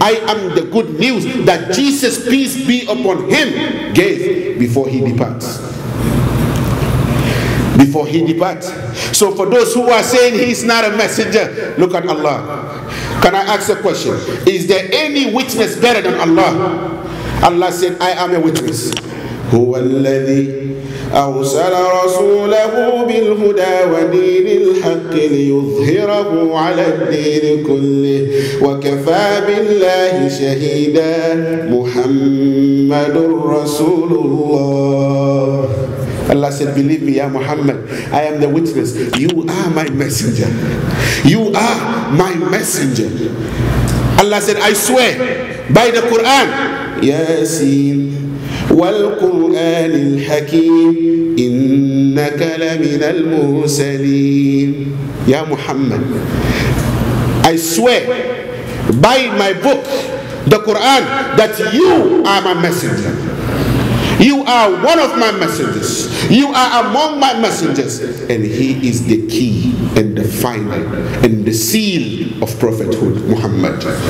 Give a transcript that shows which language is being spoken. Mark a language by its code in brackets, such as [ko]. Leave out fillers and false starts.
[en] I am the good news that Jesus, peace be upon him, gave before he departs. Before he departs. So for those who are saying he is not a messenger, look at Allah. Can I ask a question? Is there any witness better than Allah? Allah said, I am a witness. [ar] هو الذي أرسل رسوله بالهدى ودين الحق ليظهره على الدين كله وكفى بالله شهيدا محمد رسول الله. [en] Allah said, believe me, Ya Muhammad, I am the witness. You are my messenger. You are my messenger. Allah said, I swear by the Quran. Yasin. [ar] والقرآن الحكيم إنك لمن المرسلين. يا محمد, [en] I swear by my book, the Quran, that you are my messenger. You are one of my messengers. You are among my messengers. And he is the key and the final and the seal of prophethood, Muhammad.